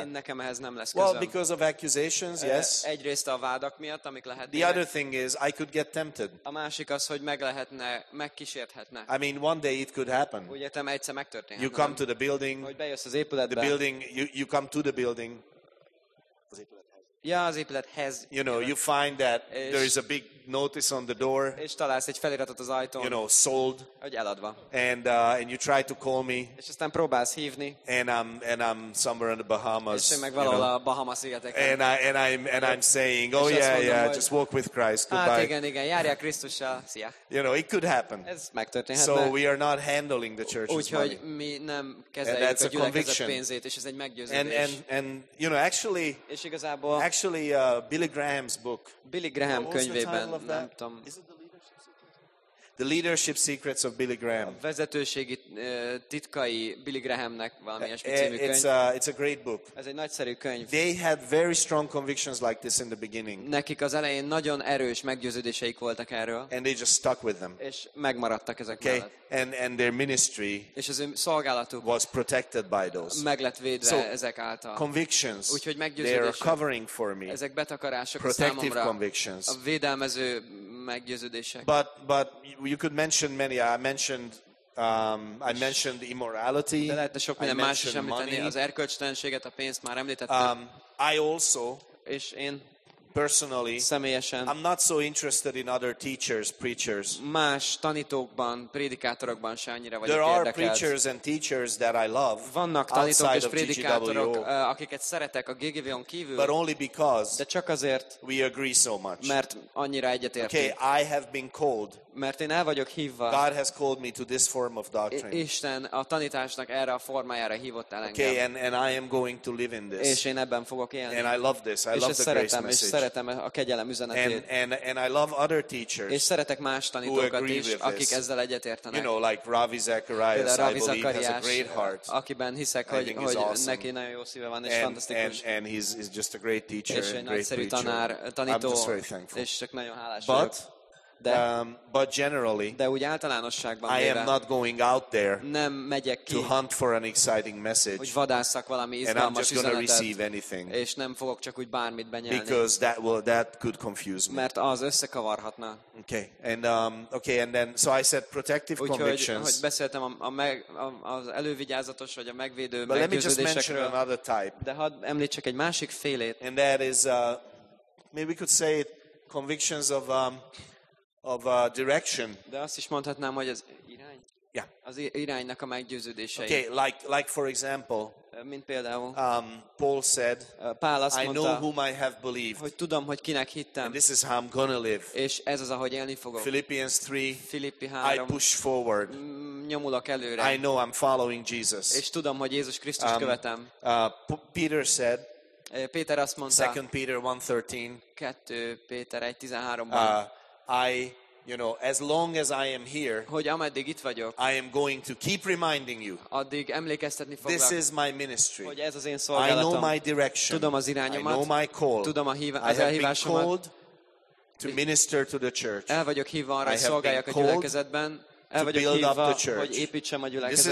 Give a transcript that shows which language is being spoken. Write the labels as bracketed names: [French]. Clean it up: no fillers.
[Hungarian] Én nekem ehhez nem lesz közöm. [English] Well, because of accusations, yes. [Hungarian] Egyrészt a vádak miatt, amik lehetnek. [English] The other thing is. is I could get tempted. [Hungarian] A másik az, hogy meglehetne, megkísérthetne. [English] I mean, one day it could happen. [Hungarian] Úgy értem, egyszer megtörténhet. [English] You come to the building. [Hungarian] Hogy bejössz az épületbe. [English] The building, you come to the building. [Hungarian] Az épülethez. Ja, az épülethez. [English] You know, you find that there is a big notice on the door. [Hungarian] És találsz egy feliratot az ajtón. [English] You know, sold. [Hungarian] Hogy eladva. [English] And you try to call me. [Hungarian] És aztán próbálsz hívni. [English] And I'm somewhere in the Bahamas. [Hungarian] És én meg valahol a Bahama-szigeteken. [English] And I'm saying, oh yeah, yeah, just walk with Christ. Goodbye. [Hungarian] Hát igen, járjál Krisztussal. Szia. [English] You know, it could happen. [Hungarian] Ez megtörténhetne. [English] So we are not handling the church's money. [Hungarian] Úgyhogy mi nem kezeljük a gyülekezet pénzét, és ez egy meggyőződés. [English] And you know, actually, [Hungarian] és igazából, [English] actually Billy Graham's book. [Hungarian] Billy Graham könyvében. Nem tudom. [English] The leadership secrets of Billy Graham. [Hungarian] A vezetőségi titkai Billy Grahamnek valami ilyesmi című könyv. [English] It's a great book. [Hungarian] Ez egy nagyszerű könyv. [English] They had very strong convictions like this in the beginning. [Hungarian] Nekik az elején nagyon erős meggyőződéseik voltak erről. [English] And they just stuck with them. [Hungarian] És megmaradtak ezek [English] okay. [Hungarian] mellett. [English] And their ministry. [Hungarian] És az ő szolgálatuk. [English] Was protected by those. [Hungarian] Meg lett védve [English] so, [Hungarian] ezek által. [English] Convictions. [Hungarian] Úgyhogy meggyőződések. [English] They are covering for me. [Hungarian] Ezek betakarások [English] protective [Hungarian] számomra. [English] Convictions. [Hungarian] A védelmező meggyőződések. [English] But you could mention many. I mentioned immorality. [Hungarian] De lehetne sok minden más is említeni. Az erkölcstelenséget, a pénzt már említettem. [English] I also, [Hungarian] és én [English] personally, [Hungarian] személyesen, [English] I'm not so interested in other teachers, preachers. [Hungarian] Más tanítókban, prédikátorokban sem annyira vagyok érdekelt. [English] There are preachers and teachers that I love. [Hungarian] Vannak tanítók és prédikátorok, akiket szeretek a GGV-on kívül. [English] But only because, [Hungarian] de csak azért, [English] we agree so much. [Hungarian] Mert annyira egyetértünk. [English] Okay, I have been called. [Hungarian] Mert én el vagyok hívva. [English] God has called me to this form of doctrine. [Hungarian] Isten a tanításnak erre a formájára hívott el engem. [English] Okay, and I am going to live in this. [Hungarian] És én ebben fogok élni. [English] And I love this. I love the grace message. [Hungarian] És szeretem a kegyelem üzenetét. [English] And I love other teachers. [Hungarian] És szeretek más tanítókat is, akik ezzel egyetértenek. [English] You know, like Ravi Zacharias, [Hungarian] Ravi [English] I believe has a great heart. [Hungarian] Akiben hiszek, hogy [English] awesome. [Hungarian] Neki nagyon jó szíve van, és fantasztikus. [English] And he's just a great teacher. [Hungarian] És egy nagyszerű tanár, tanító. [English] I'm just very thankful. [Hungarian] És csak nagyon hálás vagyok. [English] But generally, [Hungarian] de úgy általánosságban [English] I am not going out there [Hungarian] nem megyek ki, [English] to hunt for an exciting message, [Hungarian] hogy vadásszak valami izgalmas üzenetet, és nem fogok csak úgy bármit benyelni, [English] because that could confuse me. [Hungarian] Mert az összekavarhatna. [English] Okay, and then I said protective convictions. [Hungarian] Úgyhogy beszéltem az elővigyázatos vagy a megvédő meggyőződésekről. De hadd említsek egy másik félét. [English] And that is maybe we could say it, convictions of direction. [Hungarian] De azt is mondhatnám, hogy az irány. [English] Yeah. [Hungarian] Az iránynak a meggyőződései. [English] Okay, like for example. [Hungarian] Mint például. [English] Paul said. [Hungarian] Pál azt mondta. [English] I know whom I have believed. [Hungarian] Hogy tudom, hogy kinek hittem. [English] And this is how I'm gonna live. [Hungarian] És ez az, ahogy élni fogok. [English] Philippians 3. [Hungarian] Filippi 3. [English] I push forward. [Hungarian] Nyomulok előre. [English] I know I'm following Jesus. [Hungarian] És tudom, hogy Jézus Krisztus követem. [English] Peter said. [Hungarian] Péter azt mondta. [English] 2 Peter 1:13. [Hungarian] 2 Péter 1:13-ban. [English] I, you know, as long as I am here, [Hungarian] hogy ameddig itt vagyok, [English] I am going to keep reminding you. [Hungarian] Addig emlékeztetni foglak. [English] This is my ministry. [Hungarian] Hogy ez az én szolgálatom. [English] I know my direction. [Hungarian] Tudom az irányomat. [English] I know my call. [Hungarian] Tudom az elhívásomat. [English] I have been called to minister to the church. [Hungarian] El vagyok hívva arra, hogy szolgáljak a gyülekezetben. El vagyok hívva, hogy építsem a gyülekezetet.